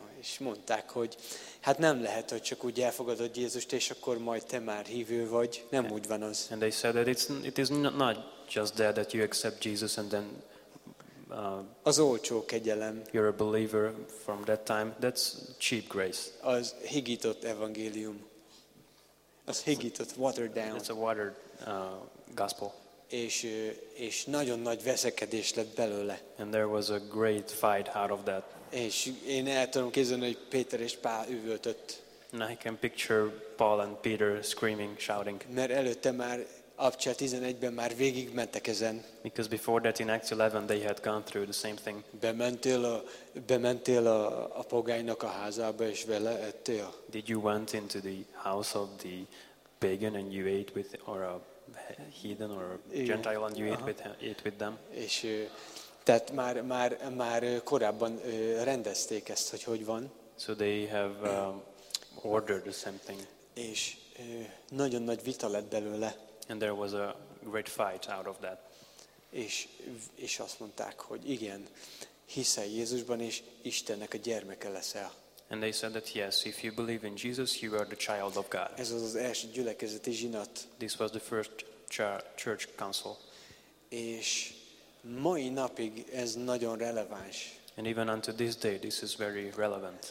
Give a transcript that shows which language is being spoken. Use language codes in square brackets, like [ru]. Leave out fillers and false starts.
[hu] És mondták, hogy hát nem lehet, hogy csak úgy elfogadod Jézust, és akkor majd te már hívő vagy. Nem úgy van az. [en] And they said that it is not just that you accept Jesus and then [hu] az olcsó kegyelem. [en] You're a believer from that time. That's cheap grace. [hu] Az higított evangélium. Az higított, [en] watered down. It's a watered gospel. [hu] És nagyon nagy veszekedés lett belőle. [en] And there was a great fight out of that. [hu] És én el tudom képzelni, hogy Péter és Pál üvöltött. [en] And I can picture Paul and Peter screaming, shouting. [hu] Mert előtte már Apcsia 11-ben már végig mentek ezen. [en] Because before that in Acts 11 they had gone through the same thing. [hu] Bementél a pogánynak a házába és vele ettél. [en] Did you went into the house of the pagan and you ate with or a heathen or a gentile and you ate with them? [hu] És tehát már korábban rendezték ezt, hogy van. [en] So they have ordered the same thing. [hu] És nagyon nagy vita lett belőle. [en] And there was a great fight out of that. [hu] És azt mondták, hogy igen, hiszel Jézusban és Istennek a gyermeke leszel. [en] And they said that yes, if you believe in Jesus, you are the child of God. [hu] Ez az első gyülekezeti zsinat. [en] This was the first church council. [hu] És mai napig ez nagyon releváns. [en] And even unto this day, this is very relevant.